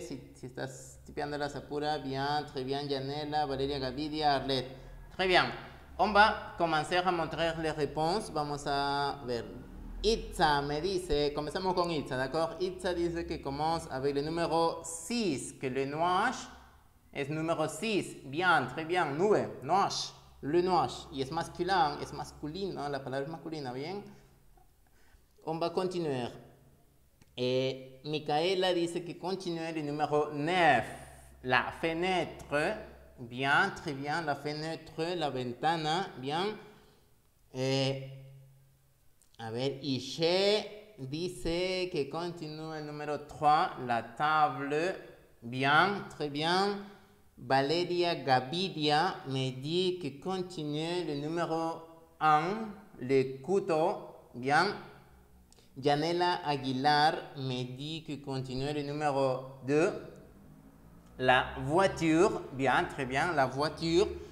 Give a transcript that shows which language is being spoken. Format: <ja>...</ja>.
<es>Si estás tipeando la sapura, bien,</es> <fr>très bien.</fr> <es>Yanela, Valeria Gavidia, Arlette.</es> <fr>Très bien. On va commencer a montrer les réponses.</fr> <es>Vamos a ver. Itza me dice, comenzamos con Itza,</es> <fr>d'accord?</fr> <es>Itza dice que</es> <fr>commence avec le numéro 6,</fr> <es>que le nuage. Es número 6, bien,</es> <fr>très bien,</fr> <es>nube, nuage,</es> <fr>le nuage,</fr> <es>y es masculino, la palabra es masculina, bien.</es> <fr>On va continuer.</fr> <es>Micaela dice que continúe el número 9, la fenêtre, bien,</es> <fr>très bien, la fenêtre,</fr> <es>la ventana, bien. A ver, Ishe dice que continúe el número 3, la table, bien,</es> <fr>très bien. Valeria Gavidia me dit que continue le numéro 1, le couteau, bien. Yanela Aguilar me dit que continue le numéro 2, la voiture, bien, très bien, la voiture.</fr>